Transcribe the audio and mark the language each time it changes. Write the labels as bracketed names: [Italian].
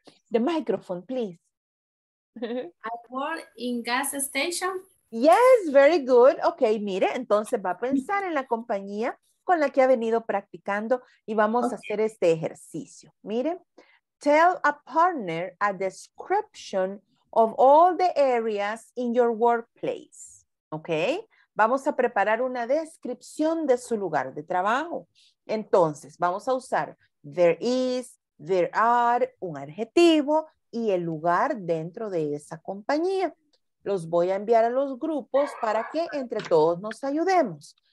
[English] The microphone, please. I work in gas station. Yes, very good. [Spanish] Okay, mire, entonces va a pensar en la compañía con la que ha venido practicando y vamos a hacer este ejercicio. [English] Mire, tell a partner a description of all the areas in your workplace. [Spanish] Okay, vamos a preparar una descripción de su lugar de trabajo. Entonces, vamos a usar [English] there is, there are, [Spanish] un adjetivo y el lugar dentro de esa compañía. Los voy a enviar a los grupos para que entre todos nos ayudemos.